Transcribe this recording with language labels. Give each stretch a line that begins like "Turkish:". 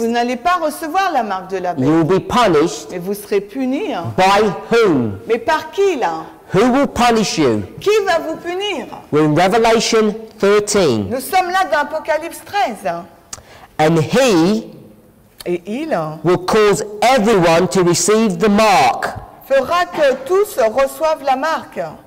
French: Vous n'allez pas recevoir la marque de la bête.
English: You will be punished.
French: Et vous serez puni.
English: By whom?
French: Mais par qui là?
English: Who will punish you?
French: Qui va vous punir?
English: We're in Revelation 13.
French: Nous sommes là dans Apocalypse 13.
English: And he
French: et il
English: will cause everyone to receive the mark.
French: Fera que tous reçoivent la marque.